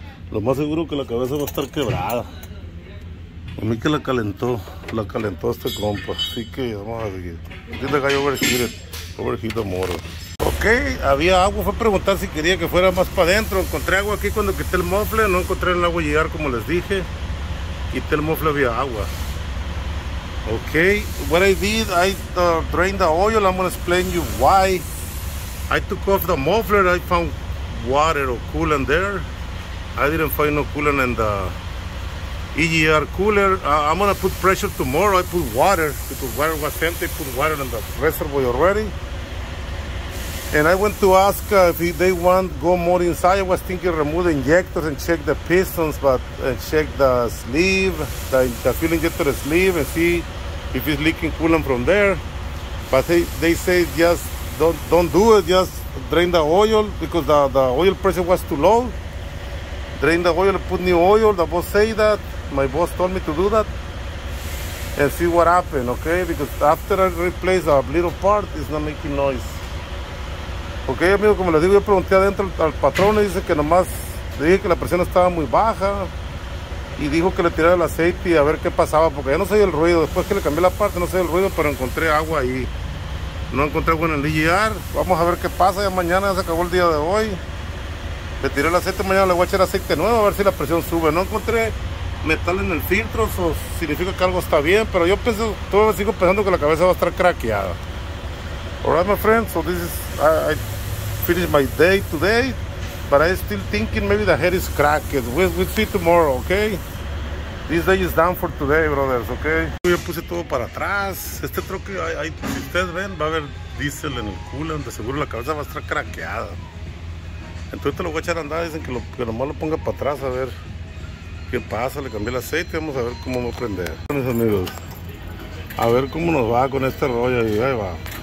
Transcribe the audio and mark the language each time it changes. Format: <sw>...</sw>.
<es>Lo más seguro que la cabeza va a estar quebrada. A mí que la calentó este compa, así que vamos a seguir. Tiene que</es> <en>overheat the motor.</en> <es>Ok, había agua, fue a preguntar si quería que fuera más para adentro. Encontré agua aquí cuando quité el mofle, no encontré el agua llegar como les dije. Quité el mofle, había agua.</es> <en>Ok, what I did, I drained the oil. I'm gonna explain you why. I took off the muffler, I found water or coolant there. I didn't find no coolant in the EGR cooler. I'm gonna put pressure tomorrow. I put water because water was empty. Put water in the reservoir already. And I went to ask if they want go more inside. I was thinking remove the injectors and check the pistons, but check the sleeve, the fuel injector sleeve, and see if it's leaking coolant from there. But they say just don't do it. Just drain the oil because the oil pressure was too low. Drain the oil, put new oil. The boss say that. My boss told me to do that and see what happened, okay? Because after I replace a little part, it's not making noise.</en> <es>Okay, amigo, como les digo, yo pregunté adentro al patrón y dice que nomás, le dije que la presión estaba muy baja y dijo que le tirara el aceite y a ver qué pasaba, porque ya no se oye el ruido. Después que le cambié la parte, no se oye el ruido, pero encontré agua ahí. No encontré agua en el IGR. Vamos a ver qué pasa. Ya mañana, ya se acabó el día de hoy. Le tiré el aceite, mañana le voy a echar aceite nuevo a ver si la presión sube. No encontré metal en el filtro, eso significa que algo está bien, pero yo pienso, todavía sigo pensando que la cabeza va a estar craqueada.</es> <en>Alright, my friend, so this is, I finished my day today, but I still thinking maybe the head is cracked. We'll see tomorrow, okay? This day is done for today, brothers, okay?</en> <es>Yo puse todo para atrás. Este truque, si ustedes ven, va a haber diésel en el coolant, de seguro la cabeza va a estar craqueada. Entonces te lo voy a echar a andar, dicen que nomás lo ponga para atrás, a ver. ¿Qué pasa? Le cambié el aceite, vamos a ver cómo va a prender. Mis amigos, a ver cómo nos va con este rollo y ahí va.</es>